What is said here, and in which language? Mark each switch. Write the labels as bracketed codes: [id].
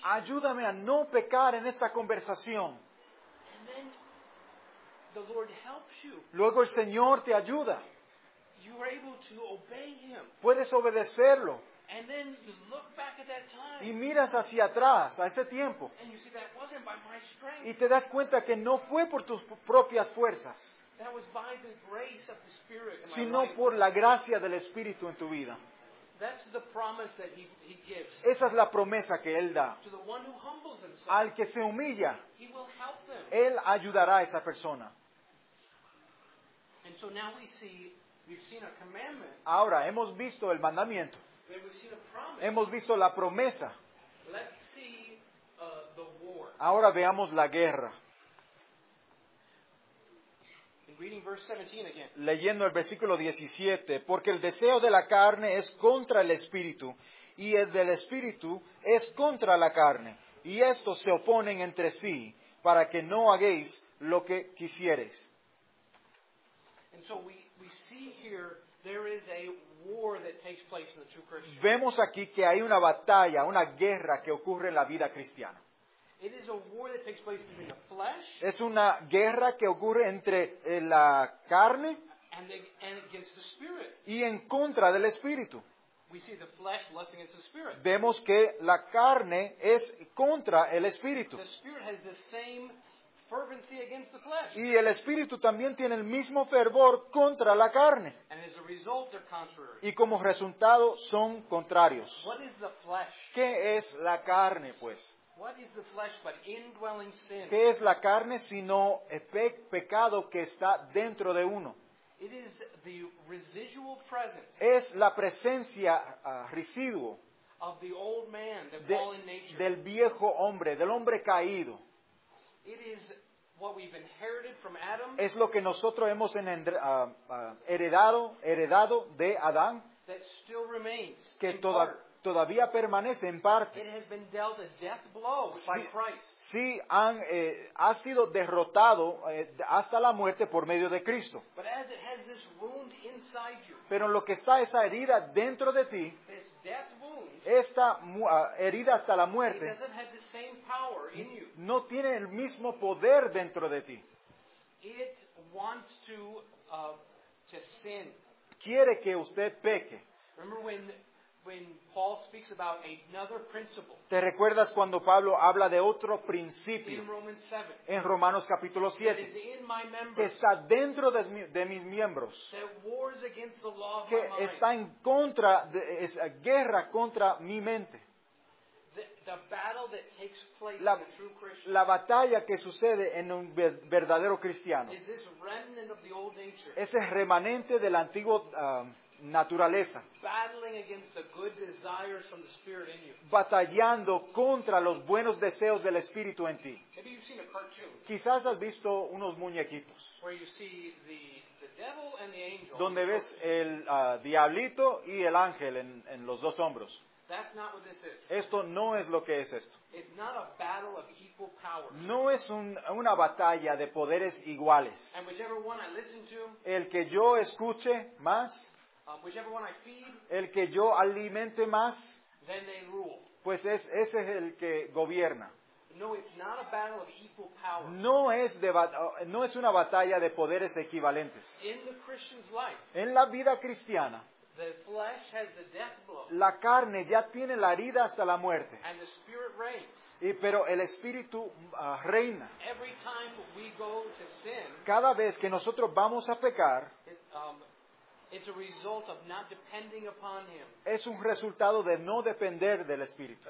[es] Ayúdame a no pecar en esta conversación. [en] And then the Lord helps you. [es] Luego el Señor te ayuda. [en] You are able to obey him. [es] Puedes obedecerlo. [en] And then you look back at that time. [es] Y miras hacia atrás, a ese tiempo. [en] And you see that wasn't by my strength. [es] Y te das cuenta que no fue por tus propias fuerzas, [en] that was by the grace of the Spirit in my [es] sino [en] life. [es] Por la gracia del Espíritu en tu vida. [en] That's the promise that he gives. [es] Esa es la promesa que Él da. [en] To the one who humbles himself. [es] Al que se humilla, [en] he will help them. [es] Él ayudará a esa persona. [en] And so now we've seen a commandment. [es] Ahora hemos visto el mandamiento. [en] Then we've seen a promise. [es] Hemos visto la promesa. [en] Let's see, the war. [es] Ahora veamos la guerra. [en] Reading verse 17 again. [es] Leyendo el versículo 17, porque el deseo de la carne es contra el espíritu, y el del espíritu es contra la carne, y estos se oponen entre sí, para que no hagáis lo que quisieres. [en] And so we see here there is a war that takes place in the true Christian. [es] Vemos aquí que hay una batalla, una guerra que ocurre en la vida cristiana. [en] It is a war that takes place between the flesh. [es] Es una guerra que ocurre entre la carne [en] and against the spirit. [es] Y en contra del espíritu. [en] We see the flesh lusting against the spirit. [es] Vemos que la carne es contra el espíritu. [en] The spirit has the same fervency against the flesh. [es] Y el espíritu también tiene el mismo fervor contra la carne. [en] And as a result, they're contrary. [es] Y como resultado son contrarios. [en] What is the flesh? [es] ¿Qué es la carne, pues? [en] What is the flesh but indwelling sin? [es] ¿Qué es la carne sino pecado que está dentro de uno? [en] It is the residual presence. [es] Es la presencia residuo [en] of the old man, the fallen nature. [es] Del viejo hombre, del hombre caído. [en] It is what we've inherited from Adam. [es] Es lo que nosotros hemos heredado de Adán. [en] That still remains. [es] Que todavía permanece en parte. [en] It has been dealt a death blow by Christ. [es] Sí, ha sido derrotado hasta la muerte por medio de Cristo. [en] But as it has this wound inside you, [es] pero lo que está esa herida dentro de ti, [en] this death wound, [es] esta herida hasta la muerte, [en] it doesn't have the same power in you. [es] No tiene el mismo poder dentro de ti. [en] It wants to sin. [es] Quiere que usted peque. [en] Remember when Paul speaks about another principle. [es] ¿Te recuerdas cuando Pablo habla de otro principio? [en] In Romans 7. [es] En Romanos capítulo 7. [en] It is in my members. [es] Que está dentro de mis miembros. [en] That wars against the law of my mind. [es] Que está en contra, es guerra contra mi mente. [en] The battle that takes place in a true Christian. [es] La batalla que sucede en un verdadero cristiano. [en] Is this remnant of the old nature. [es] Ese remanente del antiguo naturaleza. [en] Battling against the good desires from the spirit in you. [es] Batallando contra los buenos deseos del espíritu en ti. [en] Maybe you've seen a cartoon. [es] Quizás has visto unos muñequitos. [en] Where you see the devil and the angel. [es] Donde ves el diablito y el ángel en los dos hombros. [en] That's not what this is. [es] Esto no es lo que es esto. [en] It's not a battle of equal power. [es] No es una batalla de poderes iguales. [en] And whichever one I listen to, [es] el que yo escuche más, [en] whichever one I feed, [es] el que yo alimente más, [en] then they rule. [es] Pues ese es el que gobierna. [en] No, it's not a battle of equal power. [es] No es una batalla de poderes equivalentes. [en] In the Christian's life, [es] en la vida cristiana, [en] The flesh has the death blow. [es] La carne ya tiene la herida hasta la muerte. [en] And the spirit reigns. [es] Y, pero el espíritu reina. [en] Every time we go to sin, [es] cada vez que nosotros vamos a pecar, [en] it's a result of not depending upon him. [es] Es un resultado de no depender del espíritu.